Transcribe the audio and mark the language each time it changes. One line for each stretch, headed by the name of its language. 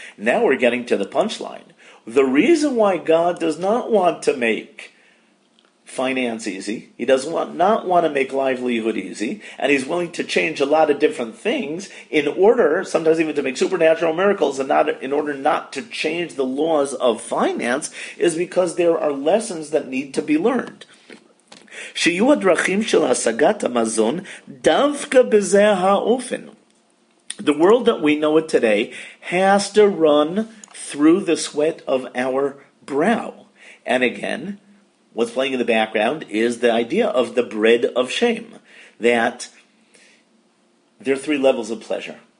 English: Now we're getting to the punchline. The reason why God does not want to make finance easy, he doesn't want to make livelihood easy, and he's willing to change a lot of different things in order, sometimes even to make supernatural miracles, and not in order not to change the laws of finance, is because there are lessons that need to be learned.
Hebrew: שיהיו הדרכים של השגת המזון דווקא בזה האופן.
English: The world that we know it today has to run through the sweat of our brow. And again, what's playing in the background is the idea of the bread of shame, that there are three levels of pleasure.